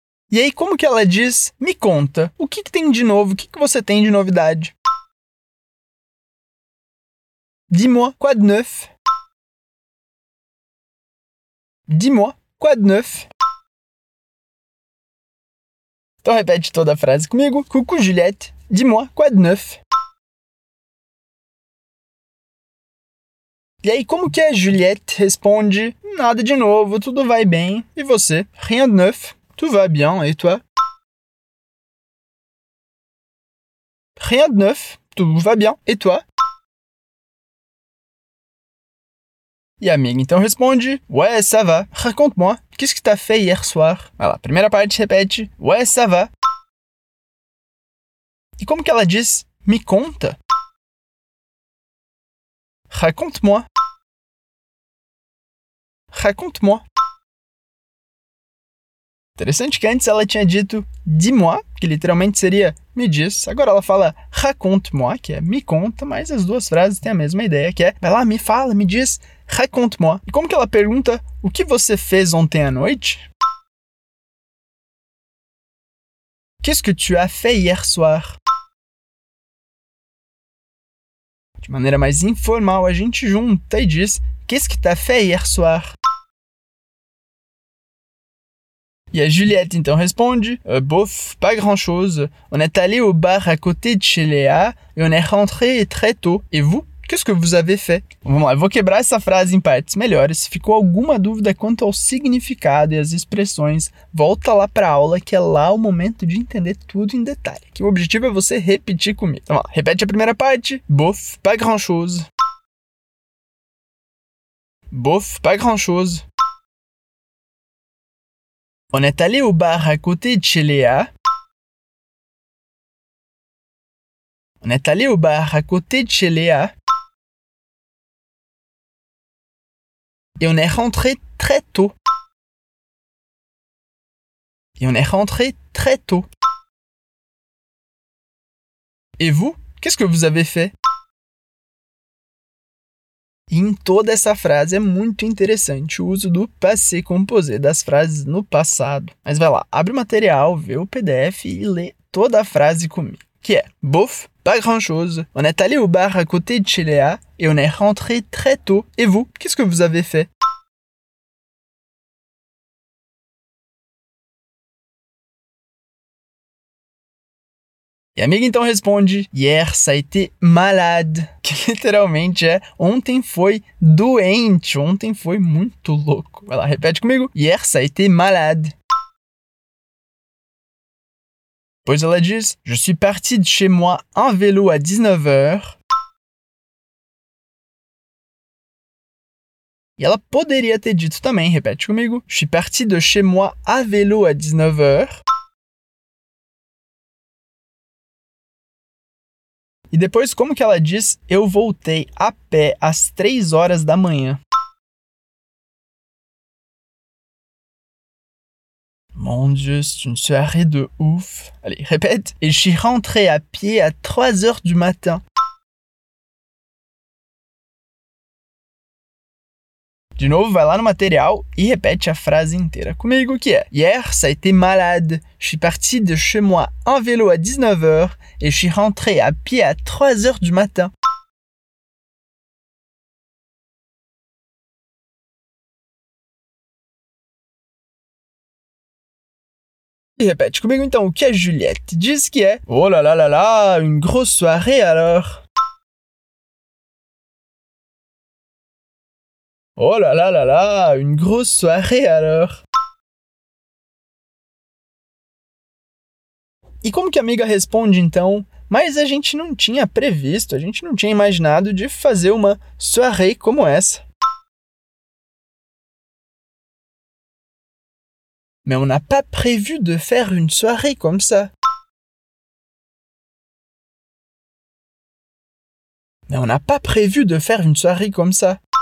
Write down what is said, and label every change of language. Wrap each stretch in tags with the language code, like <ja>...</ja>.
<pt>E aí, como que ela diz? Me conta, o que que tem de novo? O que que você tem de novidade?</pt> <fr>Dis-moi, quoi de neuf? Dis-moi, quoi de neuf?</fr> <pt>Então repete toda a frase comigo.</pt> <fr>Coucou Juliette, dis-moi, quoi de neuf?</fr> <pt>E aí, como que a Juliette responde? Nada de novo, tudo vai bem. E você?</pt> <fr>Rien de neuf. Tout va bien. Et toi? Rien de neuf. Tout va bien. Et toi?</fr> <pt>E amiga, então responde.</pt> <fr>Ouais, ça va. Raconte-moi. Qu'est-ce que t'as fait hier soir?</fr> <pt>Vai lá, primeira parte, repete.</pt> <fr>Ouais, ça va.</fr> <pt>E como que ela diz? Me conta.</pt> <fr>Raconte-moi. Raconte-moi.</fr> <pt>Interessante que antes ela tinha dito dis-moi, que literalmente seria me diz. Agora ela fala raconte-moi, que é me conta, mas as duas frases têm a mesma ideia, que é vai lá, me fala, me diz, raconte-moi. E como que ela pergunta o que você fez ontem à noite?</pt> <fr>Qu'est-ce que tu as fait hier soir?</fr> <pt>De maneira mais informal, a gente junta e diz:</pt> <fr>Qu'est-ce que t'as fait hier soir?</fr> <pt>E a Juliette então responde:</pt> <fr>Bof, pas grand-chose. On est allé au bar à côté de chez Léa et on est rentré très tôt. Et vous? Qu'est-ce que vous avez fait?</fr> <pt>Vamos lá, eu vou quebrar essa frase em partes melhores. Se ficou alguma dúvida quanto ao significado e as expressões, volta lá para a aula, que é lá o momento de entender tudo em detalhe. Que o objetivo é você repetir comigo. Vamos lá, repete a primeira parte.</pt> <fr>Bof, pas grand chose. Bof, pas grand chose. On est allé au bar à côté de chez Léa. On est allé au bar à côté de chez Léa. Et on est rentré très tôt. Et on est rentré très tôt. Et vous, qu'est-ce que vous avez fait?</fr> <pt>Em toda essa frase é muito interessante o uso do passé composé das frases no passado. Mas vai lá, abre o material, vê o PDF e lê toda a frase comigo. Que é,</pt> <fr>bof, pas grand chose. On est allé au bar à côté de chez Léa et on est rentré très tôt. Et vous, qu'est-ce que vous avez fait?</fr> <pt>E a amiga então responde,</pt> <fr>hier ça a été malade,</fr> <pt>que literalmente é, ontem foi doente, ontem foi muito louco. Vai lá, repete comigo,</pt> <fr>hier ça a été malade.</fr> <pt>Pois ela diz,</pt> <fr>je suis parti de chez moi en vélo à 19h.</fr> <pt>E ela poderia ter dito também, repete comigo,</pt> <fr>je suis parti de chez moi à vélo à 19h.</fr> <pt>E depois, como que ela diz, eu voltei a pé às 3 horas da manhã.</pt> <fr>Mon Dieu, c'est une soirée de ouf. Allez, répète. Et je suis rentré à pied à 3 heures du matin.</fr> <pt>De novo, vai lá no material e repete a frase inteira comigo, que é</pt> <fr>hier, ça a été malade. Je suis parti de chez moi en vélo à 19h et je suis rentré à pied à 3h du matin.</fr> <pt>E repete comigo então o que a Juliette diz que é</pt> <fr>oh là là là là, une grosse soirée alors. Oh là là là là, une grosse soirée alors.</fr> <pt>E como que a amiga responde então? Mas a gente não tinha previsto, a gente não tinha imaginado de fazer uma soirée como essa.</pt> <fr>Mais on n'a pas prévu de faire une soirée comme ça. Mais on n'a pas prévu de faire une soirée comme ça.</fr>